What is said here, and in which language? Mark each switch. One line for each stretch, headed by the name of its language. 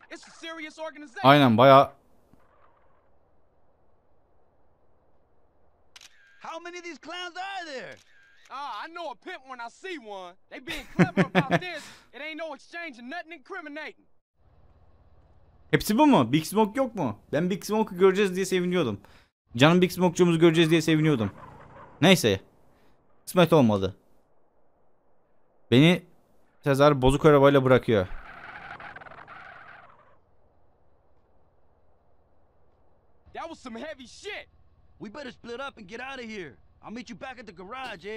English: It's a serious organization.
Turkish: Aynen bayağı.
English: How many of these clowns are there? I know a pimp when I see one. They being clever about this. It ain't no exchange of nothing incriminating.
Turkish: Hepsi bu mu? Big Smoke yok mu? Ben Big Smoke'u göreceğiz diye seviniyordum. Canım Big Smoke'cumuzu göreceğiz diye seviniyordum. Neyse. Kısmet olmadı. Beni Sezar bozuk arabayla bırakıyor.
English: That was some heavy shit. We better split up and get out of here. I'll meet you back at the garage, eh?